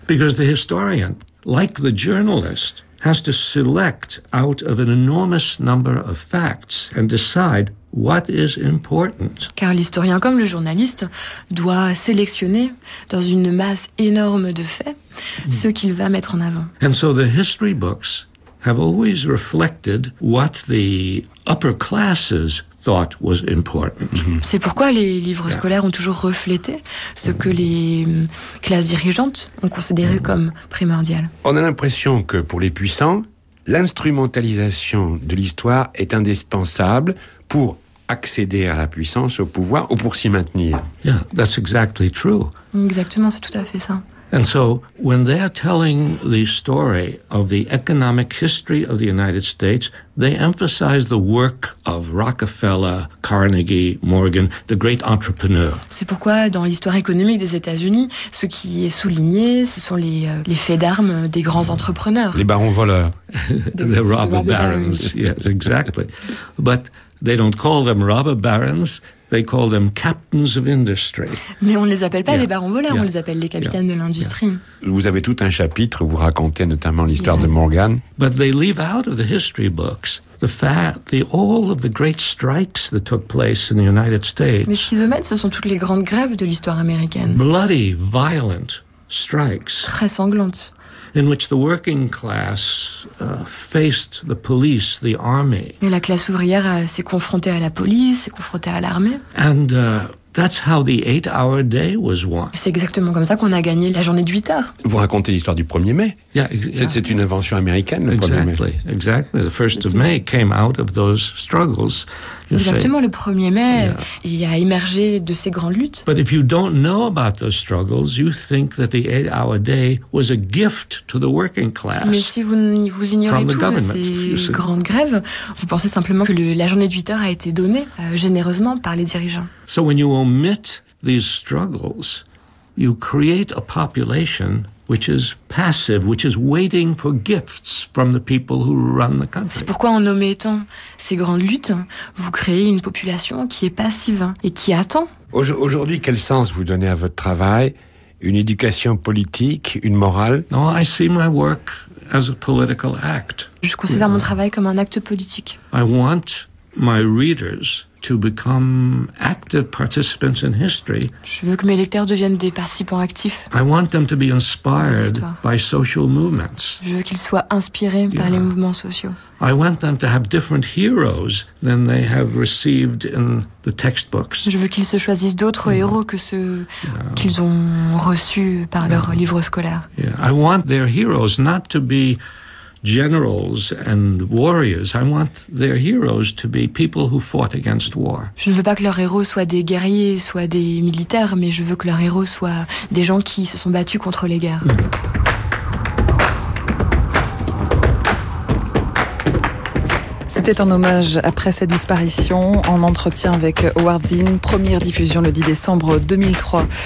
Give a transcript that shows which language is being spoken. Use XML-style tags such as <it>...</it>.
<en>Because the historian, like the journalist, has to select out of an enormous number of facts and decide what is important.</en> <fr>Car l'historien, comme le journaliste, doit sélectionner dans une masse énorme de faits ce qu'il va mettre en avant.</fr> <en>And so the history books have always reflected what the upper classes thought was important.</en> <fr>C'est pourquoi les livres scolaires ont toujours reflété ce que les classes dirigeantes ont considéré comme primordial. On a l'impression que pour les puissants, l'instrumentalisation de l'histoire est indispensable pour accéder à la puissance, au pouvoir, ou pour s'y maintenir.</fr> <en>Yeah, that's exactly true.</en> <fr>Exactement, c'est tout à fait ça.</fr> <en>And so, when they are telling the story of the economic history of the United States, they emphasize the work of Rockefeller, Carnegie, Morgan, the great entrepreneurs.</en> <fr>C'est pourquoi, dans l'histoire économique des États-Unis, ce qui est souligné, ce sont les faits d'armes des grands entrepreneurs. Les barons voleurs.</fr> <en>The robber barons. Yes, exactly. But they don't call them robber barons. They call them captains of industry.</en> <fr>Mais on ne les appelle pas les barons voleurs, on les appelle les capitaines de l'industrie.</fr> <en>Yeah.</en> <fr>Vous avez tout un chapitre où vous racontez notamment l'histoire de Morgan.</fr> <en>But they leave out of the history books all of the great strikes that took place in the United States.</en> <fr>Mais ce qu'ils omettent, ce sont toutes les grandes grèves de l'histoire américaine.</fr> <en>Bloody, violent strikes.</en> <fr>Très sanglantes.</fr> <en>In which the working class faced the police, the army.</en> <fr>Et la classe ouvrière s'est confrontée à la police, s'est confrontée à l'armée.</fr> <en>And that's how the 8-hour day was won.</en> <fr>C'est exactement comme ça qu'on a gagné la journée de 8 heures. Vous racontez l'histoire du 1er mai.</fr> <en>Yeah,</en> <fr>c'est une invention américaine, le 1er mai.</fr> <en>Exactly, exactly. The 1st of May came out of those struggles.</en> <fr>Exactement, le 1er mai, il a émergé de ces grandes luttes.</fr> <en>But if you don't know about those struggles, you think that the 8-hour day was a gift to the working class.</en> <fr>Mais si vous ignorez tout de ces grandes grèves, vous pensez simplement que la journée de 8 heures a été donnée généreusement par les dirigeants.</fr> <en>So when you omit these struggles, you create a population which is passive, which is waiting for gifts from the people who run the country.</en> <fr>C'est pourquoi en omettant ces grandes luttes, vous créez une population qui est passive et qui attend. Aujourd'hui, quel sens vous donnez à votre travail? Une éducation politique, une morale?</fr> <en>No, I see my work as a political act.</en> <fr>Je considère mon travail comme un acte politique.</fr> <en>I want my readers to become active participants in history.</en> <fr>Je veux que mes lecteurs deviennent des participants actifs.</fr> <en>I want them to be inspired by social movements.</en> <fr>Je veux qu'ils soient inspirés par les mouvements sociaux.</fr> <en>I want them to have different heroes than they have received in the textbooks.</en> <fr>Je veux qu'ils se choisissent d'autres héros que ceux qu'ils ont reçus par leurs livres scolaires.</fr> <en>Yeah. I want their heroes not to be generals and warriors. I want their heroes to be people who fought against war.</en> <fr>Je ne veux pas que leurs héros soient des guerriers, soient des militaires, mais je veux que leurs héros soient des gens qui se sont battus contre les guerres. Mmh. C'était en hommage après sa disparition, en entretien avec Howard Zinn, première diffusion le 10 décembre 2003.</fr>